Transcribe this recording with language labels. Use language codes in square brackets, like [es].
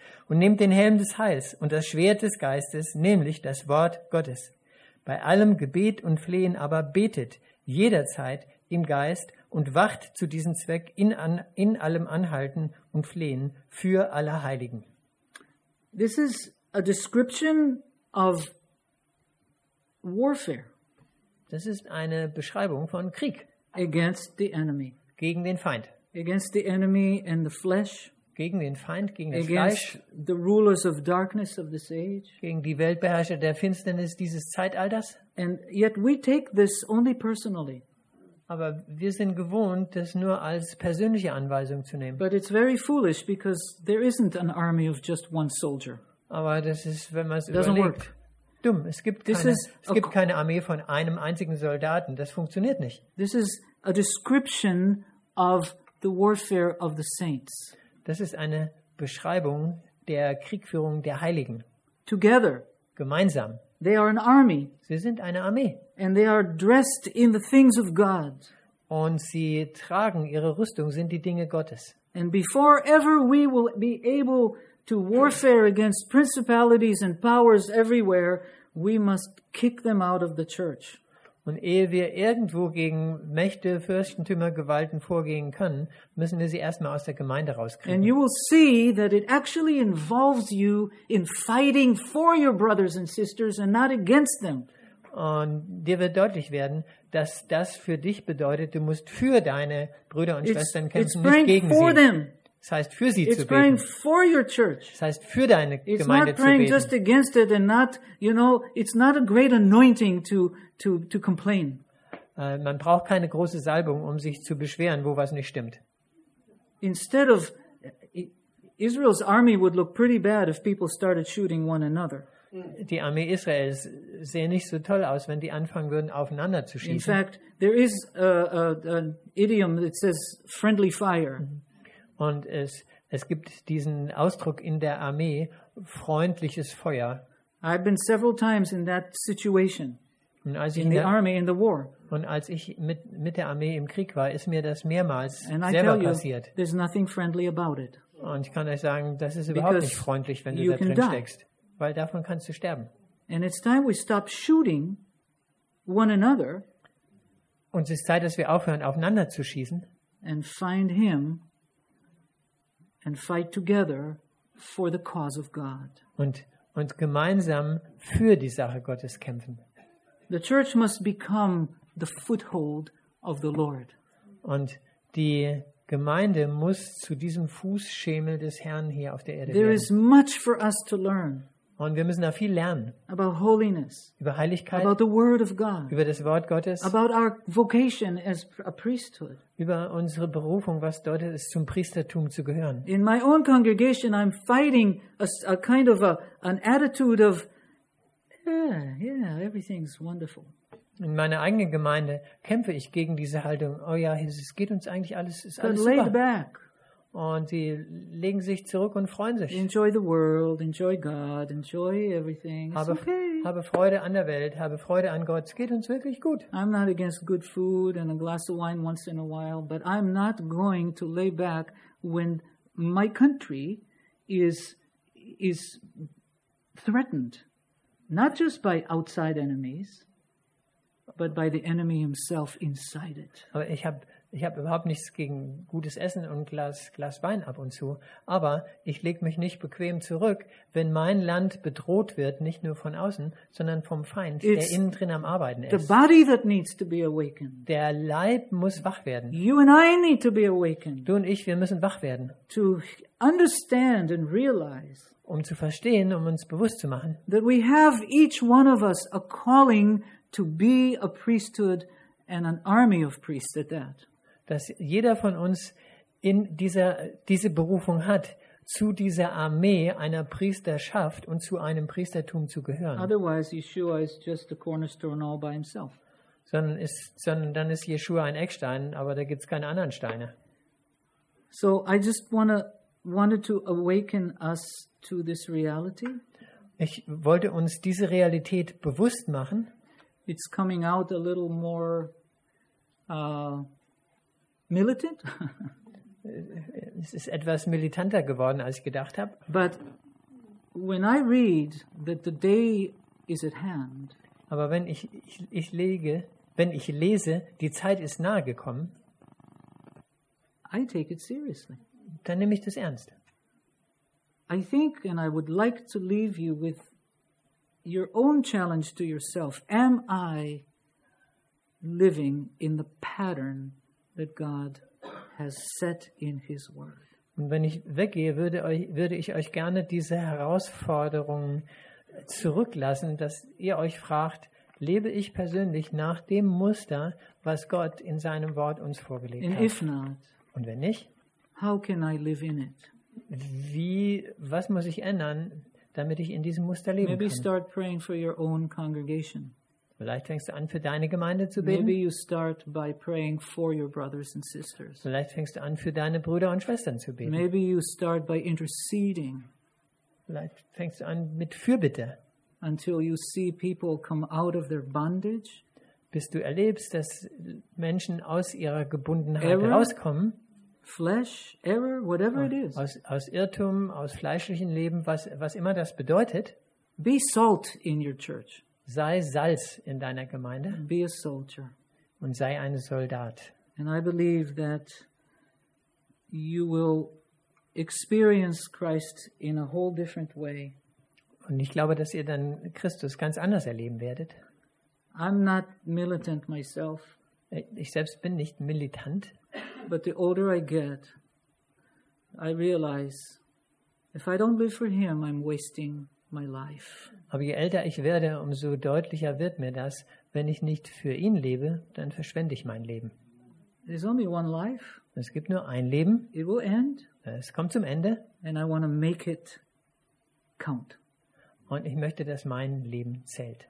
[de] Und nehmt den Helm des Heils und das Schwert des Geistes, nämlich das Wort Gottes. Bei allem Gebet und Flehen aber betet jederzeit im Geist und wacht zu diesem Zweck in allem Anhalten und Flehen für alle Heiligen. [en] This is a description of warfare. [de] Das ist eine Beschreibung von Krieg. [en] Against the enemy. [de] Gegen den Feind. [en] Against the enemy and the flesh. [de] Gegen den Feind, gegen das [en] Against [de] Fleisch. [en] The rulers of darkness of this age. [de] Gegen die Weltbeherrscher der Finsternis dieses Zeitalters. [en] And yet we take this only personally. [de] Aber wir sind gewohnt, das nur als persönliche Anweisung zu nehmen. [en] But it's very foolish because there isn't an army of just one soldier. [de] Aber das ist, wenn man es überlegt. [en] Doesn't work. [de] Dumm. Es gibt keine Armee von einem einzigen Soldaten. Das funktioniert nicht. [en] This is a description of the warfare of the saints. [de] Das ist eine Beschreibung der Kriegführung der Heiligen. [en] Together. [de] Gemeinsam. [en] They are an army. [de] Sie sind eine Armee. [en] And they are dressed in the things of God. [de] Und sie tragen ihre Rüstung, sind die Dinge Gottes. [en] And before ever we will be able to warfare against principalities and powers everywhere, we must kick them out of the church. [de] Und ehe wir irgendwo gegen Mächte, Fürstentümer, Gewalten vorgehen können, müssen wir sie erstmal aus der Gemeinde rauskriegen. [en] And you will see that it actually involves you in fighting for your brothers and sisters and not against them. [de] Und dir wird deutlich werden, dass das für dich bedeutet, du musst für deine Brüder und Schwestern kämpfen, nicht gegen sie. [en] It's praying for them. [de] Das heißt, für sie [en] it's [de] zu beten. [en] Praying for your church. [de] Das heißt, für deine [en] it's [de] Gemeinde zu beten. [en] It's not praying just against it and not, you know, it's not a great anointing to complain. [de] Man braucht keine große Salbung, um sich zu beschweren, wo was nicht stimmt. [en] Instead of Israel's army would look pretty bad if people started shooting one another. [de] Die Armee Israels sähe nicht so toll aus, wenn die anfangen würden, aufeinander zu schießen. [en] In fact, there is an idiom that says friendly fire. [de] Und es gibt diesen Ausdruck in der Armee, freundliches Feuer. [en] I've been several times in that situation. [de] Und als ich [en] in the army, in the war. [de] Und als ich mit der Armee im Krieg war, ist mir das mehrmals selber passiert. [en] You, there's nothing friendly about it. [de] Und ich kann euch sagen, das ist überhaupt [en] because [de] nicht freundlich, wenn du da drin steckst. Weil davon kannst du sterben. [en] And it's time we stop shooting one another. [de] Und es ist Zeit, dass wir aufhören, aufeinander zu schießen. [en] And find him and fight together for the cause of God. [de] Und gemeinsam für die Sache Gottes kämpfen. [en] The church must become the foothold of the Lord. [de] Und die Gemeinde muss zu diesem Fußschemel des Herrn hier auf der Erde werden. [en] There is much for us to learn. [de] Und wir müssen da viel lernen. [en] About holiness. [de] Über Heiligkeit. [en] About the word of God. [de] Über das Wort Gottes. [en] About our vocation as a priesthood. [de] Über unsere Berufung, was bedeutet es, zum Priestertum zu gehören. [en] In my own congregation I'm fighting a kind of an attitude of yeah, everything's wonderful. [de] In meiner eigenen Gemeinde kämpfe ich gegen diese Haltung. Oh ja, es geht uns eigentlich alles, ist alles [en] but [de] super. [en] Back. [de] Und sie legen sich zurück und freuen sich. [en] Enjoy the world, enjoy God, enjoy everything. [de] Habe Freude an der Welt, habe Freude an Gott. Es geht uns wirklich gut. [en] I'm not against good food and a glass of wine once in a while, but I'm not going to lay back when my country is threatened, not just by outside enemies, but by the enemy himself inside it. [de] Aber ich habe überhaupt nichts gegen gutes Essen und ein Glas Wein ab und zu, aber ich lege mich nicht bequem zurück, wenn mein Land bedroht wird, nicht nur von außen, sondern vom Feind, der innen drin am Arbeiten ist. [en] The body that needs to be awakened. [de] Der Leib muss wach werden. [en] You and I need to be awakened. [de] Du und ich, wir müssen wach werden. [en] To understand and realize, [de] um zu verstehen, um uns bewusst zu machen, [en] that we have each one of us a calling to be a priesthood and an army of priests at that. [de] Dass jeder von uns in diese Berufung hat, zu dieser Armee einer Priesterschaft und zu einem Priestertum zu gehören. [en] Otherwise Yeshua is just a cornerstone all by himself. [de] Sondern dann ist Yeshua ein Eckstein, aber da gibt's keine anderen Steine. [en] So I just wanted to awaken us to this reality. [de] Ich wollte uns diese Realität bewusst machen. [en] It's coming out a little more militant. [de] Es ist etwas militanter geworden, als ich gedacht habe. [en] But when I read that the day is at hand. [de] Aber wenn ich lese, die Zeit ist nahe gekommen. [en] I take it seriously. [de] Dann nehme ich das ernst. [en] I think, and I would like to leave you with your own challenge to yourself. Am I living in the pattern that God has set in his word? [de] Und wenn ich weggehe, würde ich euch gerne diese Herausforderung zurücklassen, dass ihr euch fragt, lebe ich persönlich nach dem Muster, was Gott in seinem Wort uns vorgelegt [en] and [de] hat? [en] If not, [de] und wenn nicht, [en] how can I live in it? [de] Was muss ich ändern, damit ich in diesem Muster leben [en] Maybe [de] kann. [en] Start praying for your own congregation. [de] Vielleicht fängst du an, für deine Gemeinde zu beten. [en] Maybe you start by praying for your brothers and sisters. [de] Vielleicht fängst du an, für deine Brüder und Schwestern zu beten. [en] Maybe you start by interceding. [de] Vielleicht fängst du an mit Fürbitte. [en] Until you see people come out of their bondage. [de] Bis du erlebst, dass Menschen aus ihrer Gebundenheit rauskommen. [en] Flesh, error, whatever it is. [de] Aus Irrtum, aus fleischlichem Leben, was immer das bedeutet. [en] Be salt in your church. [de] Sei Salz in deiner Gemeinde. [en] Be a soldier. [de] Und sei ein Soldat. [en] And I believe that you will experience Christ in a whole different way. [de] Und ich glaube, dass ihr dann Christus ganz anders erleben werdet. [en] I'm not militant myself. [de] Ich selbst bin nicht militant. [en] But the older I get, I realize, if I don't live for him, I'm wasting my life. [de] Aber je älter ich werde, umso deutlicher wird mir das, wenn ich nicht für ihn lebe, dann verschwende ich mein Leben. [en] There's only one life. [de] Es gibt nur ein Leben. [en] It will end. [de] Es kommt zum Ende. [en] And I want to make it count. [de] Und ich möchte, dass mein Leben zählt.